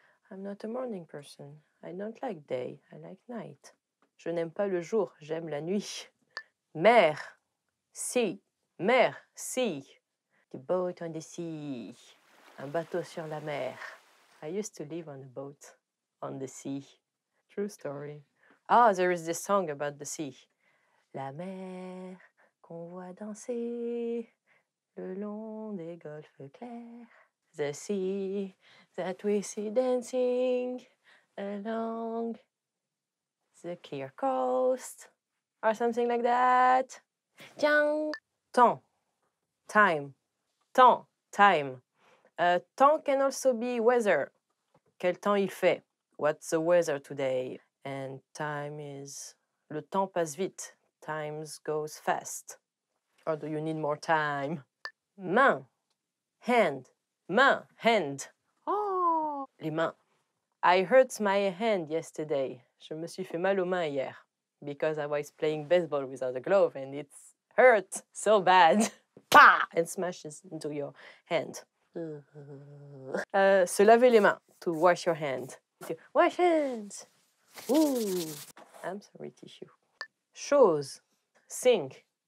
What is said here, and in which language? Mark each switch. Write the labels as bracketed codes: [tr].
[en] I'm not a morning person. I don't like day. I like night. [fr] Je n'aime pas le jour. J'aime la nuit. [en] Mer. Sea. Mer. Sea. The boat on the sea. [fr] Un bateau sur la mer. [en] I used to live on a boat. On the sea. True story. Ah, there is this song about the sea. [fr] La mer qu'on voit danser le long des golfes clairs. [en] The sea that we see dancing along the clear coast. Or something like that. [fr] Tiens. [en] Temps. Time. Temps. Time. Temps can also be weather. [fr] Quel temps il fait? [en] What's the weather today? And time is... [fr] Le temps passe vite. [en] Time goes fast. Or do you need more time? Main. Hand. Main. Hand. Oh. [fr] Les mains. [en] I hurt my hand yesterday. [fr] Je me suis fait mal aux mains hier. [en] because I was playing baseball without a glove and it hurt so bad. Pah! And smashes into your hand. Se laver les mains, to wash your hand. Wash hands. Ooh, I'm sorry, tissue. Choses, sink.